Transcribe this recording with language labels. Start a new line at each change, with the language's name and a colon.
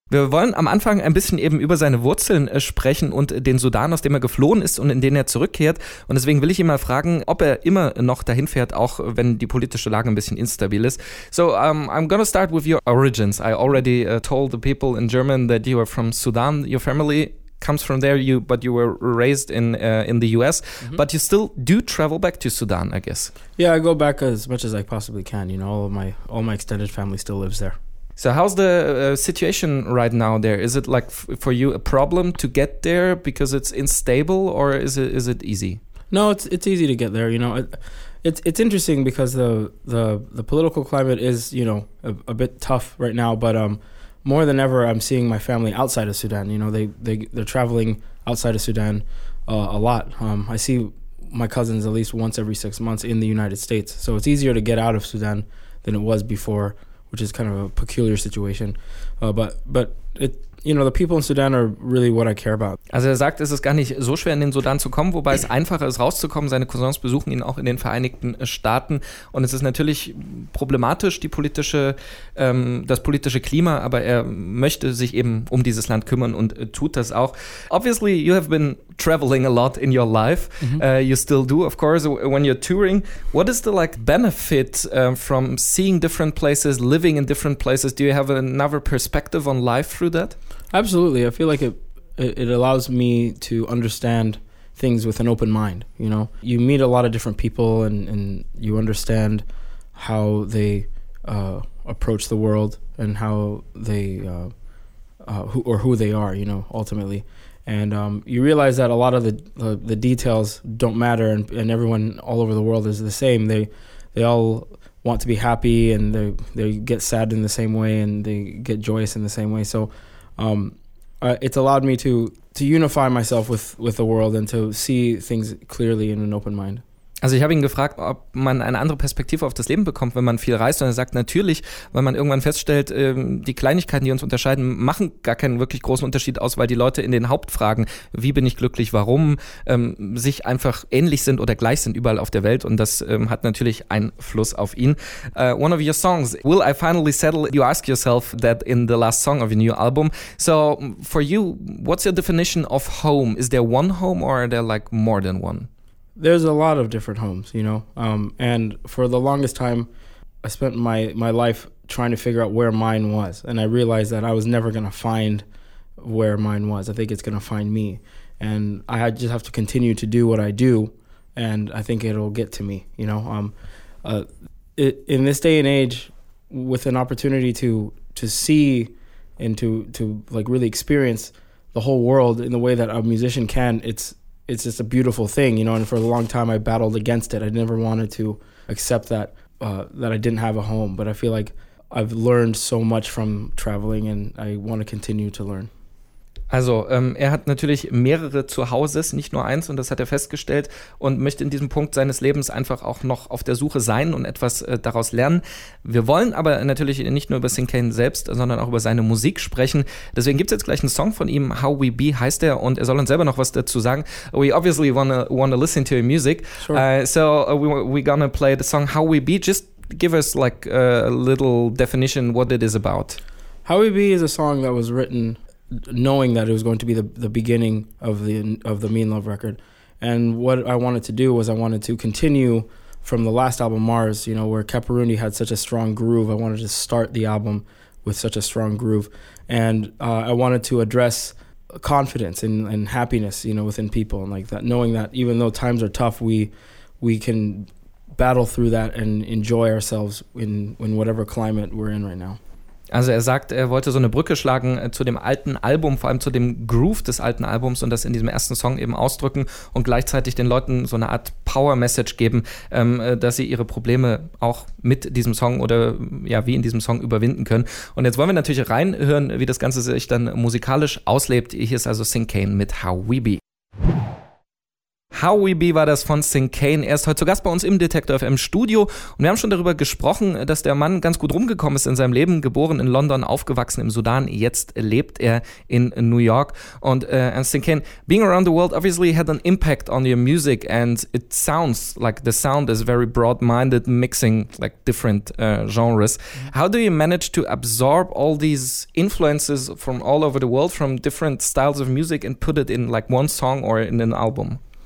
German: Wir wollen am Anfang ein bisschen eben über seine Wurzeln sprechen und den Sudan, aus dem er geflohen ist und in den er zurückkehrt. Und deswegen will ich ihn mal fragen, ob er immer noch dahin fährt, auch wenn die politische Lage ein bisschen instabil ist.
English: So, I'm gonna start with your origins. I already told the people in German that you are from Sudan. Your family comes from there, but you were raised in the US. Mm-hmm. But you still do travel back to Sudan, I guess. Yeah, I go back as much as I possibly can. You know, all my extended family still lives there. So how's the situation right now there? Is it like for you a problem to get there because it's unstable, or is it easy? No, it's easy to get there. You know, it's interesting because the political climate is, you know, a bit tough right now. But more than ever, I'm seeing my family outside of Sudan. You know, they're traveling outside of Sudan a lot. I see my cousins at least once every 6 months in the United States. So it's easier to get out of Sudan than it was before, which is kind of a peculiar situation. But the people in Sudan are really what I care about.
German: Also er sagt, es ist gar nicht so schwer, in den Sudan zu kommen, wobei es einfacher ist, rauszukommen. Seine Cousins besuchen ihn auch in den Vereinigten Staaten. Und es ist natürlich problematisch, das politische Klima, aber er möchte sich eben um dieses Land kümmern und tut das auch.
English: Obviously, you have been traveling a lot in your life. Mm-hmm. You still do, of course, when you're touring. What is the benefit from seeing different places, living in different places? Do you have another perspective on life through that? Absolutely. I feel like it allows me to understand things with an open mind. You know, you meet a lot of different people and you understand how they approach the world and how they who they are, you know, ultimately. And you realize that a lot of the details don't matter, and everyone all over the world is the same. They all want to be happy, and they get sad in the same way, and they get joyous in the same way. So it's allowed me to unify myself with the world and to see things clearly in an open mind.
German: Also ich habe ihn gefragt, ob man eine andere Perspektive auf das Leben bekommt, wenn man viel reist. Und er sagt, natürlich, weil man irgendwann feststellt, die Kleinigkeiten, die uns unterscheiden, machen gar keinen wirklich großen Unterschied aus, weil die Leute in den Hauptfragen, wie bin ich glücklich, warum, sich einfach ähnlich sind oder gleich sind überall auf der Welt. Und das hat natürlich Einfluss auf ihn.
English: One of your songs, Will I Finally Settle? You ask yourself that in the last song of your new album. So for you, what's your definition of home? Is there one home or are there more than one? There's a lot of different homes, you know, and for the longest time, I spent my life trying to figure out where mine was, and I realized that I was never going to find where mine was. I think it's going to find me, and I just have to continue to do what I do, and I think it'll get to me, you know. In this day and age, with an opportunity to see and to really experience the whole world in the way that a musician can, it's just a beautiful thing, you know, and for a long time I battled against it. I never wanted to accept that that I didn't have a home, but I feel like I've learned so much from traveling and I want to continue to learn.
German: Also, er hat natürlich mehrere Zuhauses, nicht nur eins, und das hat er festgestellt und möchte in diesem Punkt seines Lebens einfach auch noch auf der Suche sein und etwas daraus lernen. Wir wollen aber natürlich nicht nur über Sin Cane selbst, sondern auch über seine Musik sprechen. Deswegen gibt es jetzt gleich einen Song von ihm, How We Be heißt er, und er soll uns selber noch was dazu sagen.
English: We obviously wanna listen to your music. Sure. So we're gonna play the song How We Be. Just give us a little definition what it is about. How We Be is a song that was written knowing that it was going to be the beginning of the Mean Love record. And what I wanted to do was I wanted to continue from the last album, Mars, you know, where Caperundi had such a strong groove. I wanted to start the album with such a strong groove. And I wanted to address confidence and happiness, you know, within people, and like that, knowing that even though times are tough, we can battle through that and enjoy ourselves in whatever climate we're in right now.
German: Also er sagt, er wollte so eine Brücke schlagen zu dem alten Album, vor allem zu dem Groove des alten Albums, und das in diesem ersten Song eben ausdrücken und gleichzeitig den Leuten so eine Art Power-Message geben, dass sie ihre Probleme auch mit diesem Song oder ja wie in diesem Song überwinden können. Und jetzt wollen wir natürlich reinhören, wie das Ganze sich dann musikalisch auslebt. Hier ist also Sin Cane mit How We Be. How We Be war das von Syncane. Er ist heute zu Gast bei uns im Detektor FM Studio. Und wir haben schon darüber gesprochen, dass der Mann ganz gut rumgekommen ist in seinem Leben. Geboren in London, aufgewachsen im Sudan. Jetzt lebt er in New York. Und
English: Syncane, being around the world obviously had an impact on your music. And it sounds like the sound is very broad-minded, mixing like different genres. How do you manage to absorb all these influences from all over the world, from different styles of music and put it in like one song or in an album?